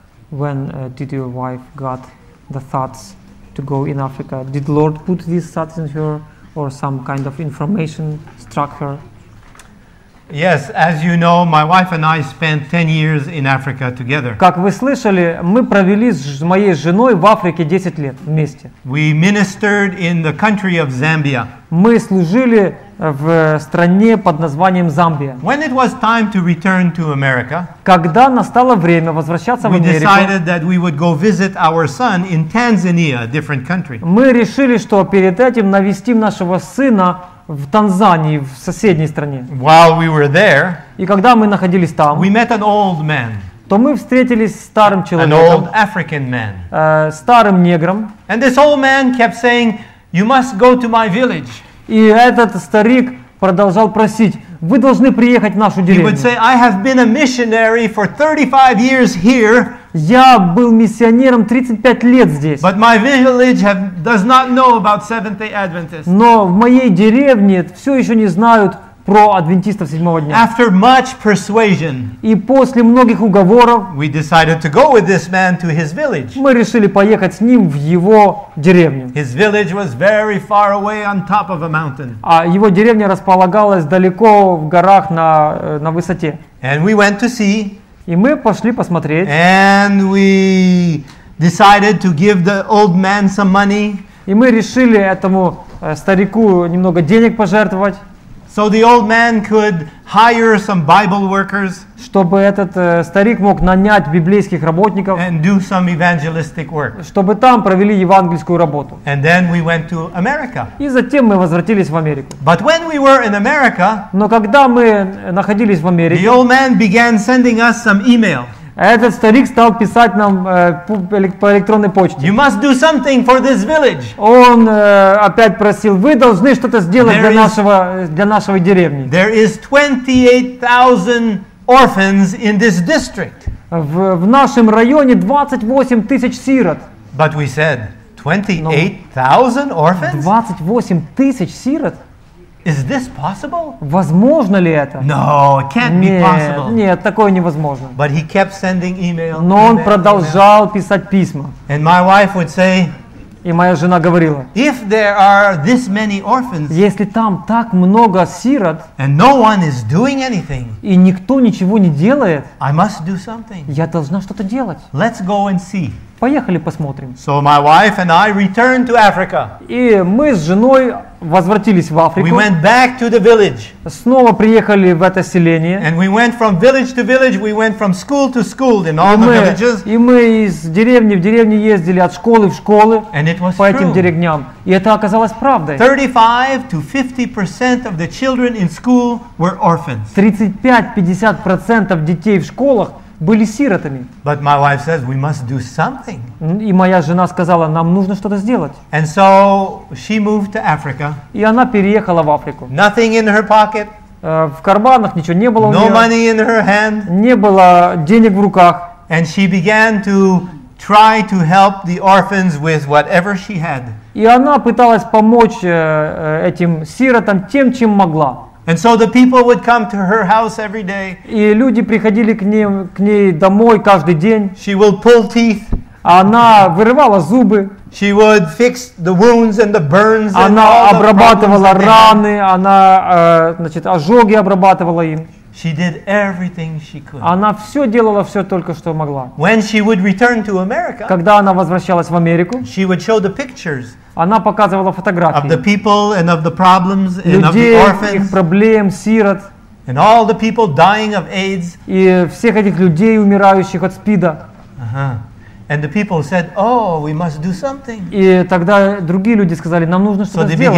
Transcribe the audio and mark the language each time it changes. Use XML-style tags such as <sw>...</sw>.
<en>When did your wife got the thoughts to go in Africa? Did Lord put these thoughts in her, or some kind of information struck her? Yes, as you know, my wife and I spent 10 years in Africa together.</en> <ru>Как вы слышали, мы провели с моей женой в Африке 10 лет вместе.</ru> <en>We ministered in the country of Zambia.</en> <ru>Мы служили в стране под названием Замбия.</ru> <en>When it was time to return to America,</en> <ru>когда настало время возвращаться в Америку,</ru> <en>we decided that we would go visit our son in Tanzania, a different country.</en> <ru>Мы решили, что перед этим навестим нашего сына в Танзании, в соседней стране.</ru> <en>While we were there,</en> <ru>и когда мы находились там,</ru> <en>we met an old man,</en> <ru>то мы встретились с старым человеком,</ru> <en>an old African man,</en> <ru>старым негром.</ru> <en>And this old man kept saying, "You must go to my village."</en> <ru>И этот старик продолжал просить: вы должны приехать в нашу деревню.</ru> <en>He would say, I have been a missionary for 35 years here.</en> <ru>Я был миссионером 35 лет здесь.</ru> <en>But my village does not know about Seventh-day Adventists.</en> <ru>Но в моей деревне все еще не знают про адвентистов седьмого дня.</ru> <en>After much persuasion,</en> <ru>и после многих уговоров,</ru> <en>we decided to go with this man to his village.</en> <ru>Мы решили поехать с ним в его деревню.</ru> <en>His village was very far away on top of a mountain.</en> <ru>А его деревня располагалась далеко в горах на высоте.</ru> <en>And we went to see.</en> <ru>И мы пошли посмотреть.</ru> <en>And we decided to give the old man some money.</en> <ru>И мы решили этому старику немного денег пожертвовать.</ru> <en>So the old man could hire some Bible workers,</en> <ru>чтобы этот старик мог нанять библейских работников,</ru> <en>and do some evangelistic work,</en> <ru>чтобы там провели евангельскую работу.</ru> <en>And then we went to America.</en> <ru>И затем мы возвратились в Америку.</ru> <en>But when we were in America,</en> <ru>но когда мы находились в Америке,</ru> <en>the old man began sending us some email.</en> <ru>Этот старик стал писать нам по электронной почте.</ru> <en>You must do something for this village.</en> <ru>Он опять просил: вы должны что-то сделать для нашего деревни.</ru> <en>There is 28,000 orphans in this district.</en> <ru>В нашем районе 28 тысяч сирот.</ru> <en>But we said 28,000 orphans?</en> <ru>28 тысяч сирот?</ru> <en>Is this possible?</en> <ru>Возможно ли это?</ru> <en>No, it can't be possible.</en> <ru>Нет, такое невозможно.</ru> <en>But he kept sending email.</en> <ru>Но он продолжал писать письма.</ru> <en>And my wife would say.</en> <ru>И моя жена говорила.</ru> <en>If there are this many orphans.</en> <ru>Если там так много сирот.</ru> <en>And no one is doing anything.</en> <ru>И никто ничего не делает.</ru> <en>I must do something.</en> <ru>Я должна что-то делать.</ru> <en>Let's go and see.</en> <ru>Поехали посмотрим.</ru> <en>So my wife and I returned to Africa.</en> <ru>И мы с женой возвратились в Африку.</ru> <en>We went back to the village.</en> <ru>Снова приехали в это селение.</ru> <en>And we went from village to village. We went from school to school in all the villages.</en> <ru>И мы из деревни в деревню ездили, от школы в школы.</ru> <en>And it was</en> <ru>по этим деревням. И это оказалось правдой.</ru> <en>35-50% of the children in school were orphans.</en> <ru>35-50% детей в школах были сиротами.</ru> <en>But my wife says we must do something.</en> <ru>И моя жена сказала, нам нужно что-то сделать.</ru> <en>And so she moved to Africa.</en> <ru>И она переехала в Африку.</ru> <en>Nothing in her pocket.</en> <ru>В карманах ничего не было у нее.</ru> <en>No money in her hand.</en> <ru>Не было денег в руках.</ru> <en>And she began to try to help the orphans with whatever she had.</en> <ru>И она пыталась помочь этим сиротам тем, чем могла.</ru> <en>And so the people would come to her house every day.</en> <ru>И люди приходили к ней домой каждый день.</ru> <en>She would pull teeth.</en> <ru>Она вырывала зубы.</ru> <en>She would fix the wounds and the burns.</en> <ru>Она обрабатывала раны, ожоги обрабатывала им.</ru> <en>She did everything she could.</en> <ru>Она все делала, все только что могла.</ru> <en>When she would return to America,</en> <ru>когда она возвращалась в Америку,</ru> <en>she would show the pictures.</en> <ru>Она показывала фотографии</ru> <en>of the people and of the problems and</en> <ru>людей,</ru> <en>of the orphans,</en> <ru>их проблем, сирот,</ru> <en>and all the people dying of AIDS,</en> <ru>и всех этих людей, умирающих от СПИДа.</ru> <en>And the people said, "Oh, we must do something."</en> <ru>И тогда другие люди сказали, нам нужно что-то сделать.</ru>